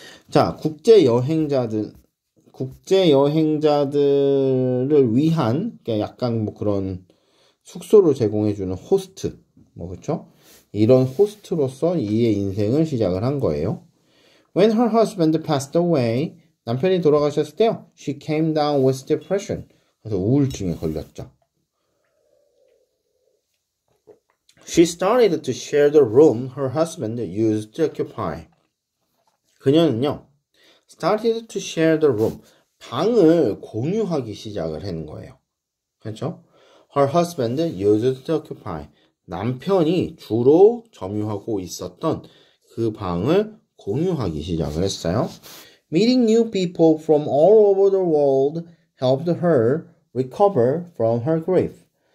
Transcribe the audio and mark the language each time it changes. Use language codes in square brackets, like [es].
[ko] 자, 국제 여행자들을 위한 약간 뭐 그런 숙소를 제공해 주는 호스트 뭐 그렇죠? 이런 호스트로서 이의 인생을 시작을 한 거예요. [en] When her husband passed away, [ko] 남편이 돌아가셨을 때요, [en] she came down with depression. [ko] 그래서 우울증에 걸렸죠. [en] She started to share the room her husband used to occupy. [ko] 그녀는요, [en] started to share the room. [ko] 방을 공유하기 시작을 한 거예요. 그렇죠? [en] Her husband used to occupy. [ko] 남편이 주로 점유하고 있었던 그 방을 공유하기 시작을 했어요. [en] Meeting new people from all over the world helped her recover from her grief.